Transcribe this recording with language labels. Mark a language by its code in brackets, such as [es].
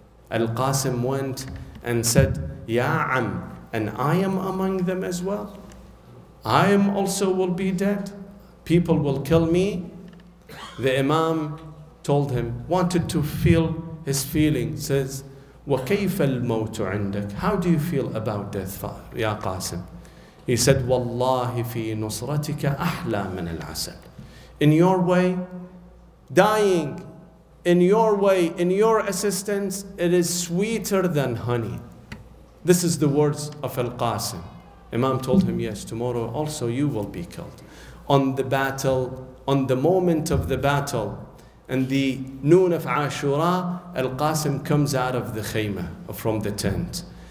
[en] Al-Qasim went and said, Ya Am, and I am among them as well. I am also will be dead. People will kill me. The Imam told him, wanted to feel his feeling, says, [ar] وَكَيْفَ الْمَوْتُ عِنْدَكَ? [en] How do you feel about death, Ya Qasim? He said, [ar] وَاللَّهِ فِي نُصْرَتِكَ أَحْلَى مِنَ الْعَسَلِ. [en] In your way, dying, in your way, in your assistance, it is sweeter than honey. This is the words of Al-Qasim. Imam told him, yes, tomorrow also you will be killed. On the battle, on the moment of the battle, and the noon of Ashura, Al-Qasim comes out of the khaymah, from the tent.